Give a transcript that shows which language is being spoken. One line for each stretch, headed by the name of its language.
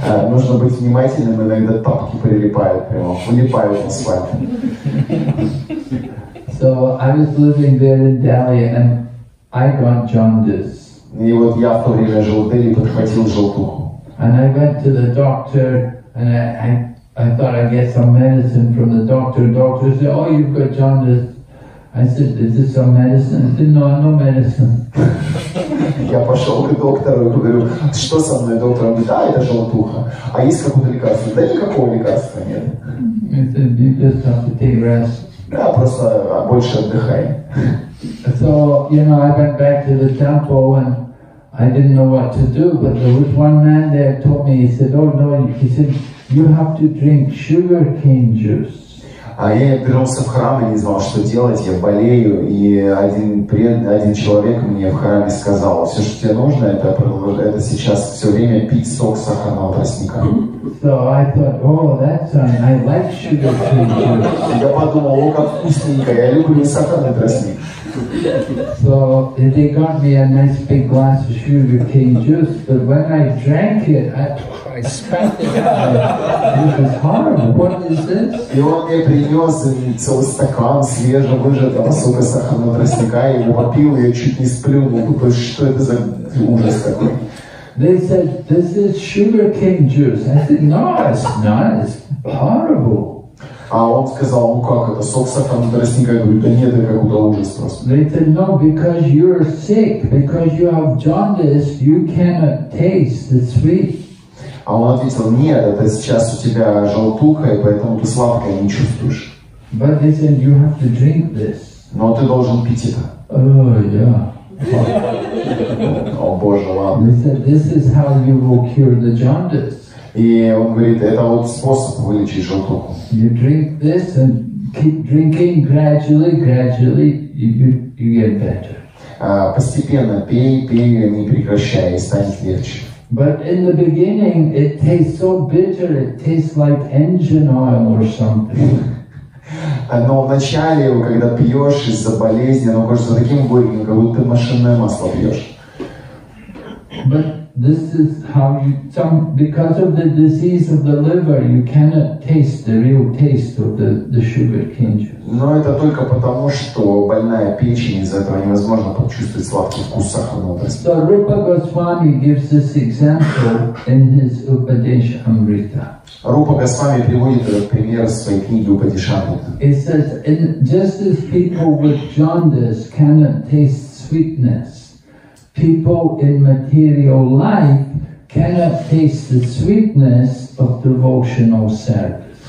Russian: Нужно быть внимательным, иногда тапки прилипают прямо, влипают в асфальт.
English: So I was living there in Delhi and I got jaundice.
Russian: И вот я в то время жил в Дели, подхватил желтуху.
English: And I went to the doctor and I I thought I'd get some medicine from the doctor. The doctor said, oh, you've got jaundice. I said, is this some medicine? He said, no, no medicine.
Russian: Я пошел к доктору и говорю, что со мной, доктор? Он говорит, да, это желтуха. А есть какое-то лекарство? Да никакого лекарства нет.
English: He said, you just have to take rest.
Russian: Да, просто больше отдыхай.
English: So, you know, I went back to the temple and I didn't know what to do, but there was one man there who told me, he said, oh no, he said, you have to drink sugar cane juice.
Russian: А я вернулся в храм и не знал, что делать, я болею, и один человек мне в храме сказал, все, что тебе нужно, это сейчас все время пить сок сахарного тростника.
English: So I thought, oh, that's fine, I like sugar cane juice.
Russian: Я подумал, о, как вкусненько, я люблю сахарный тростник.
English: So they got me a nice big glass of sugar cane juice, but when I drank it, I spat it out. It was horrible. What is this?
Russian: И он мне принес целый стакан свежевыжатого сока сахарного тростника, и я попил, я чуть не сплюнул. То есть что это за ужас такой?
English: They said, this is sugar cane juice. I said, no, it's not. It's horrible.
Russian: А он сказал, ну как это, сок сахарного тростника? Я говорю, да нет, это какой-то ужас просто.
English: They said, no, because you're sick, because you have jaundice, you cannot taste the sweet.
Russian: А он ответил, нет, это сейчас у тебя желтуха, и поэтому ты сладкое не чувствуешь.
English: But they said, you have to drink this.
Russian: Но ты должен пить это. О, Боже, ладно.
English: They said, this is how you will cure the jaundice.
Russian: И он говорит, это вот способ вылечить желтуху.
English: You drink this and keep drinking gradually, gradually, you get better.
Russian: Постепенно пей, не прекращай, станет легче.
English: But in the beginning it tastes so bitter, it tastes like engine oil or something.
Russian: Но вначале, когда пьешь из-за болезни, оно кажется таким горьким, как будто машинное масло пьешь.
English: But this is how you, because of the disease of the liver, you cannot taste the real taste of the sugar cane juice.
Russian: Но это только потому, что больная печень, из-за этого невозможно почувствовать сладкий вкус сахарного тростника.
English: So Rupa Goswami gives this example in his Upadeshamrita.
Russian: Rupa Goswami приводит этот пример в своей книге Упадешамрита.
English: It says, just as people with jaundice cannot taste sweetness, people in material life cannot taste the sweetness of devotional service.